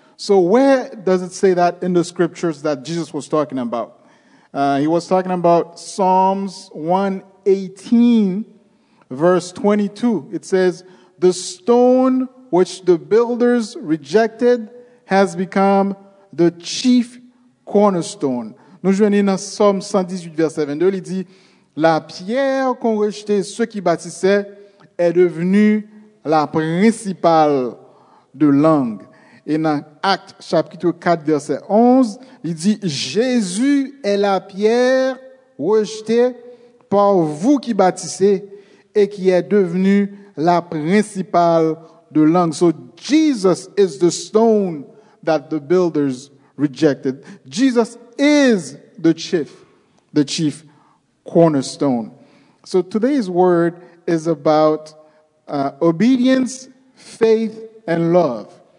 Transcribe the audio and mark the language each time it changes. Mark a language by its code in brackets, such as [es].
[en] So where does it say that in the scriptures that Jesus was talking about? He was talking about Psalms 118, verse 22. It says, the stone which the builders rejected has become the chief cornerstone. [fr] Nous joignons dans Psaume 118, verset 22, il dit, la pierre qu'ont rejeté ceux qui bâtissaient est devenue la principale de l'angle. Et dans Actes, chapitre 4, verset 11, il dit, Jésus est la pierre rejetée par vous qui bâtissez et qui est devenue la principale de l'angle. [en] So Jesus is the stone that the builders rejected. Jesus is the chief cornerstone. So today's word is about obedience, faith, and love.